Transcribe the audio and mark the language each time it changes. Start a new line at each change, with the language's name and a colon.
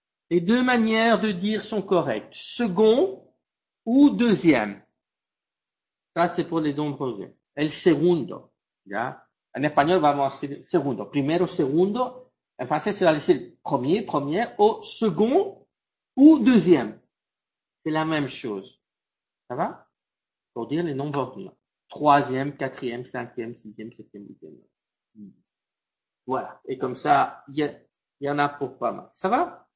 French: Les deux manières de dire sont correctes, second ou deuxième. Ça, c'est pour les nombres.
Spanish: El segundo, ¿ya? En español vamos a decir segundo, primero, segundo. En francés, se va a decir
French: premier, première, o second ou deuxième. C'est la même chose. Ça va? Pour dire les nombres ordinaux. Troisième, quatrième, cinquième, sixième, septième, huitième. Voilà. Et comme ça, y en a pour pas mal. Ça va?